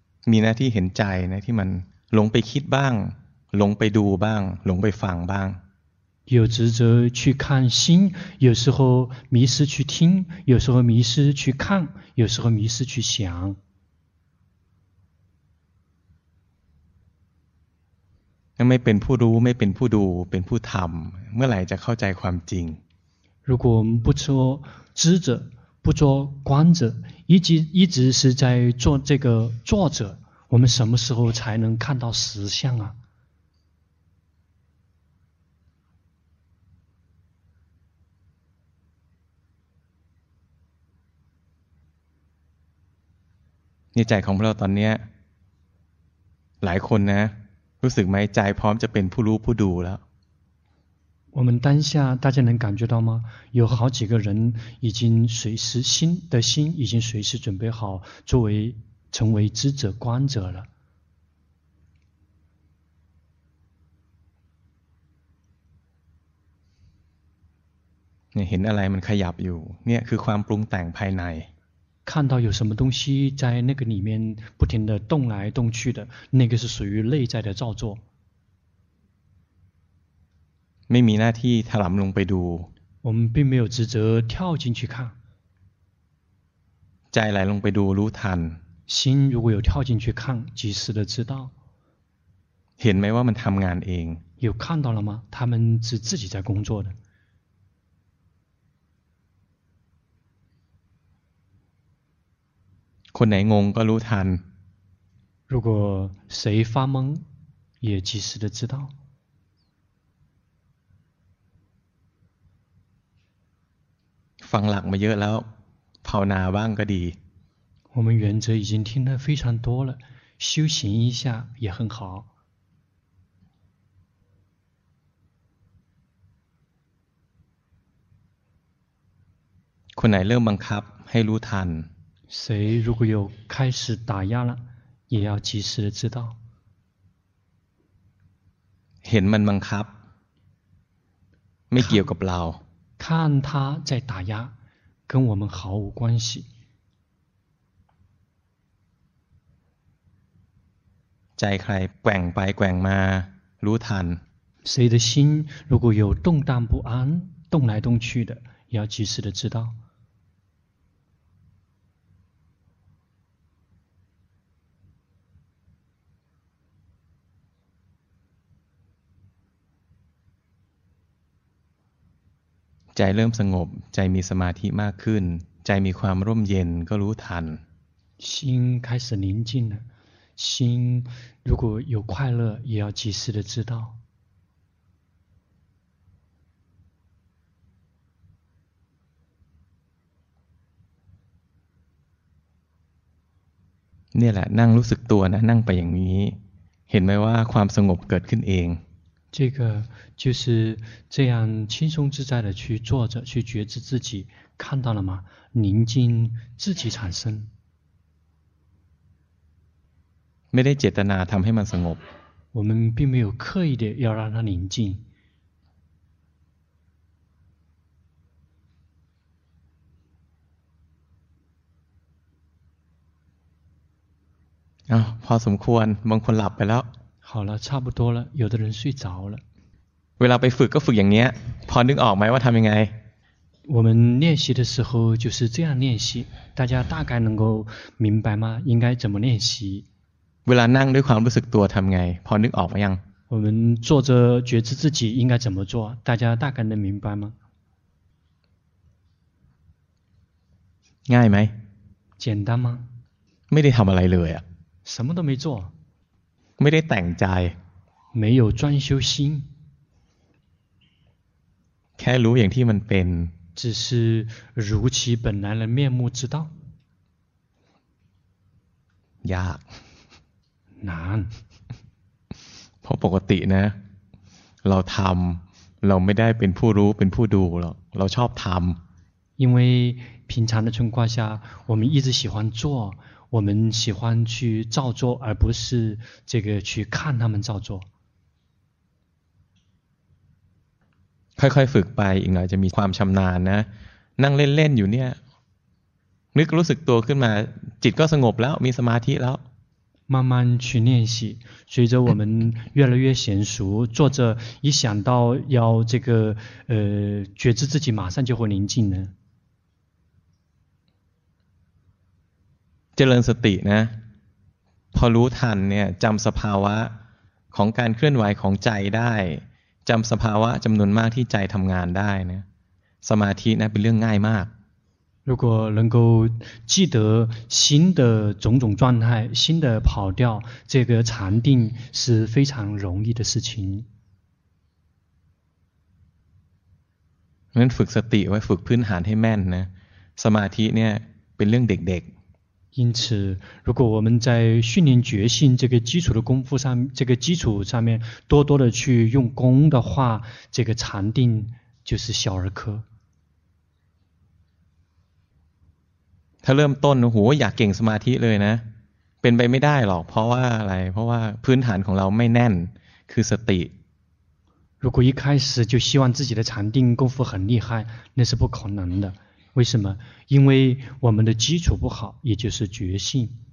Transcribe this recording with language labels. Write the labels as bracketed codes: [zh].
[th] มีหน้าที่เห็นใจนะที่มันหลงไปคิดบ้างหลงไปดูบ้างหลงไปฟังบ้าง [zh] 有职责去看心有时候迷失去听有时候迷失去看有时候迷失去想 [th] ไม่เป็นผู้รู้ไม่เป็นผู้ดูเป็นผู้ทำเมื่อไหร่จะเข้าใจความจริง [zh] 如果我们不做知者不做观者一直是在做这个作者我们什么时候才能看到实相啊 [th] นี่ใจของพวกเราตอนนี้หลายคนนะรู้สึกไหมใจพร้อมจะเป็นผู้รู้ผู้ดูแล้ว [zh] 我们当下大家能感觉到吗有好几个人已经随时心的心已经随时准备好作为成为知者观者了你看到什么东西在那个里面不停地动来动去的，看到有什么东西在那个里面不停地动来动去的，那个是属于内在的造作。没 [th] มีหน้าที่ถลำลงไปดู。 [zh] 我们并没有职责跳进去看。 [th] ใจไหลลงไปดูรู้ทัน。 [zh] 心如果有跳进去看，及时的知道。 [th] เห็นไหมว่ามันทำงานเอง。 [zh] 有看到了吗？他们是自己在工作的。 [th] คนไหนงงก็รู้ทัน。 [zh] 如果谁发懵，也及时的知道。 [th] ฟังหลักมาเยอะแล้วภาวนาบ้างก็ดี [zh] 我们原则已经听得非常多了，修行一下也很好。 [th] คนไหนเริ่มบังคับให้รู้ทัน [zh] 谁如果有开始打压了，也要及时的知道。 [th] เห็นมันบังคับไม่เกี่ยวกับเรา [zh] 看他在打压，跟我们毫无关系。 [th] ใจใครแกว่งไปแกว่งมารู้ทัน [zh] 谁的心如果有动荡不安、动来动去的，也要及时的知道。 [th] ใจเริ่มสงบใจมีสมาธิมากขึ้นใจมีความร่มเย็นก็รู้ทัน [zh] 心开始宁静了，心如果有快乐，也要及时的知道。 [th] เนี่ยแหละนั่งรู้สึกตัวนะนั่งไปอย่างนี้เห็นไหมว่าความสงบเกิดขึ้นเอง [zh] 这个就是这样轻松自在的去坐着，去觉知自己，看到了吗？宁静自己产生。没得 [th] เจตนาทำให้มันสงบ。 [zh] 我们并没有刻意的要让它宁静。 [th] 啊，พอสมควร，บางคนหลับไปแล้ว。 [zh] 好了，差不多了。有的人睡着了。 [th] เวลาไปฝึกก็ฝึกอย่างเนี้ยพอนึกออกไหมว่าทำยังไง [zh] 我们练习的时候就是这样练习，大家大概能够明白吗？应该怎么练习？ [th] เวลานั่งด้วยความรู้สึกตัวทำไงพอนึกออกไหมยัง [zh] 我们坐着觉知自己应该怎么做，大家大概能明白吗？ [th] ง่ายไหม [zh] 简单吗？ [th] ไม่ได้ทำอะไรเลยอ่ะ [zh] 什么都没做。 [th] ไม่ได้แต่งใจ [zh] 没有专修心 [th] แค่รู้อย่างที่มันเป็น [zh] 只是如其本来的面目知道 [th] ยาก [zh] 难 [th] เพราะปกตินะเราทำเราไม่ได้เป็นผู้รู้เป็นผู้ดูหรอกเราชอบทำ [zh] 因为平常的情况下我们一直喜欢做我们喜欢去照做，而不是这个去看他们照做。 [th] ค่อยๆฝึกไปอีกหน่อยจะมีความชำนาญนะนั่งเล่นๆอยู่เนี่ยนึกรู้สึกตัวขึ้นมาจิตก็สงบแล้วมีสมาธิแล้ว [zh] 慢慢去练习，随着我们越来越娴熟，坐着一想到要这个觉知自己，马上就会宁静了。 [th] เจริญสตินะพอรู้ทันเนี่ยจำสภาวะของการเคลื่อนไหวของใจได้จำสภาวะจำนวนมากที่ใจทำงานได้นะสมาธินะเป็นเรื่องง่ายมาก [zh] 如果能够记得心的种种状态心的跑掉这个禅定是非常容易的事情 [th] งั้นฝึกสติไว้ฝึกพื้นฐานให้แม่นนะสมาธิเนี่ยเป็นเรื่องเด็กๆ [zh] 因此如果我们在训练觉性这个基础的功夫上这个基础上面多多的去用功的话这个禅定就是小儿科他 [th] เริ่มต้นโหอยากเก่งสมาธิเลยนะเป็นไปไม่ได้หรอกเพราะว่าอะไรเพราะว่าพื้นฐานของเราไม่แน่นคือสติ [zh] 如果一开始就希望自己的禅定功夫很厉害，那是不可能的。为什么？因为我们的基础不好，也就是觉性。